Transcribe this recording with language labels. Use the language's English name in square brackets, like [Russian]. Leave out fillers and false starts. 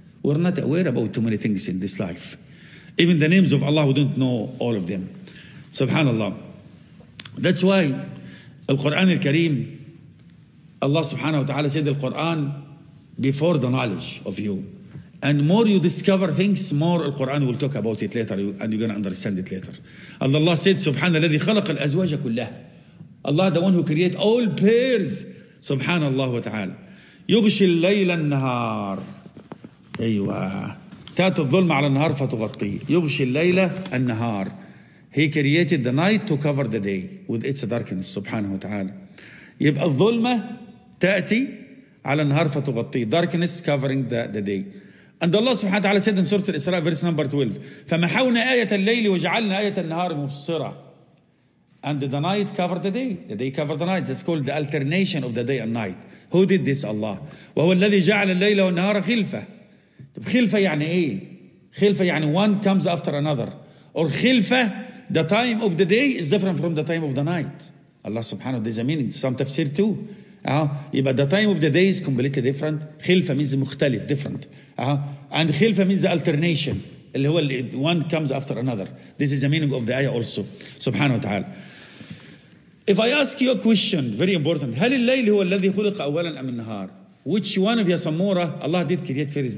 [English] We're not aware about too many things in this life. Even the names of Allah, we don't know all of them. Subhanallah. That's why [Arabic] القرآن الكريم الله سبحانه وتعالى [English] said القرآن before the knowledge of you. And more you discover things, more القرآن will talk about it later and you're going to understand it later. Allah said [Arabic] سبحانه الذي خلق الأزواج كلها. Allah the one who created all pairs. Subhanallah wa ta'ala. يغشي الليل النهار. أيوة. تأتي الظلمة على النهار فتغطي. يغشي الليل النهار. [English] He created the night to cover the day with its darkness. [Arabic] سبحانه وتعالى. يبقى الظلمة تأتي على النهار فتغطي. [English] Darkness covering the day. And Allah [Arabic] سبحانه وتعالى [English] said in Surah Al-Isra, verse number 12. [Arabic] فمحونا آية الليل وجعلنا آية النهار مبصرة. [English] And the night covered the day. The day covered the night. That's called the alternation of the day and night. Who did this? Allah. [Arabic] وهو الذي جعل الليل والنهار خلفة. خلفة يعني إيه؟ خلفة يعني [English] one comes after another. Or خلفة, the time of the day is different from the time of the night. Allah subhanahu wa ta'ala, there's a meaning. Some tafsir too. يبقى the time of the day is completely different. خلفة means مختلف, different. And خلفة means alternation. [Arabic] اللي هو اللي [English] one comes after another. This is the meaning of the ayah also. [Arabic] سبحانه وتعالى. [English] If I ask you a question, very important. [Arabic] هل الليل هو الذي خلق أولا أم النهار؟ [English] Which one of Yasamura Allah did create first?